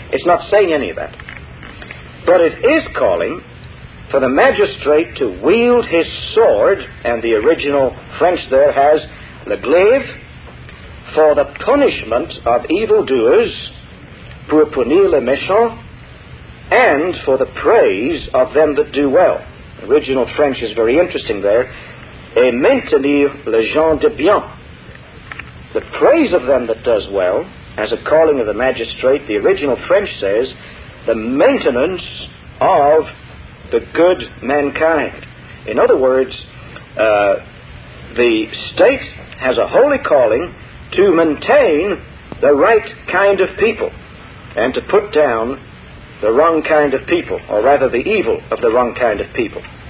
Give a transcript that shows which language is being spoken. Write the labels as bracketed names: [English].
[English] It's not saying any of that. But it is calling for the magistrate to wield his sword, and the original French there has le glaive, for the punishment of evildoers, [French] pour punir les méchants, [English] and for the praise of them that do well. The original French is very interesting there. [French] Et maintenir les gens de bien. [English] The praise of them that does well, as a calling of the magistrate, the original French says, the maintenance of the good mankind. In other words, the state has a holy calling to maintain the right kind of people and to put down the wrong kind of people, or rather the evil of the wrong kind of people.